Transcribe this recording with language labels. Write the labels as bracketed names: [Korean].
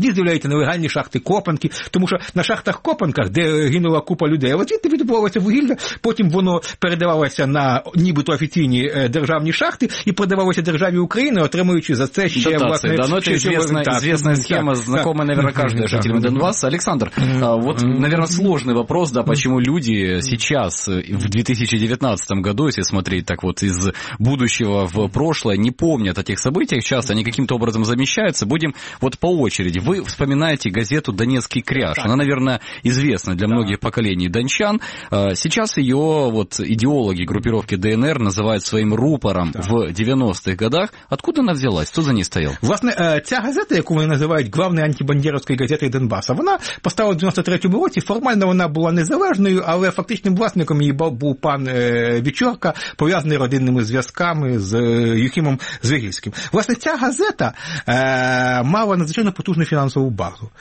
[Ukrainian] Тоді з'являються нелегальні шахти Копанки, тому що на шахтах Копанках, де гинула купа людей, от звідти відбувалося вугілля, потім воно передавалося на нібито офіційні державні шахти і продавалося державі України, отримуючи за це ще власне... Звісна схема, знакома, навірно, кожен житель Донбасу. [Russian] Олександр, [Ukrainian] от, навірно, [Russian] сложний вопрос, да, почему люди сейчас, в 2019 году, если смотреть так вот из будущего в прошлое, не помнят о тех событиях, часто они каким-то образом замещаются. Будем вот по очереди. Вы вспоминаете газету «Донецкий кряж». Она, наверное, известна для многих поколений дончан. Сейчас ее вот идеологи группировки ДНР называют своим рупором в 90-х годах. Откуда она взялась? Кто за ней стоял? [Ukrainian] Власне, ця газета, яку вони називають [Russian] главной антибандеровской газетой Донбасса, [Ukrainian] вона постала в 93-му році. Формально вона була незалежною, але фактичним власником її був пан Вічорка, пов'язаний родинними зв'язками з Юхімом Звягільським. Власне, ця газета мала надзвичайно потужну фінансову базу.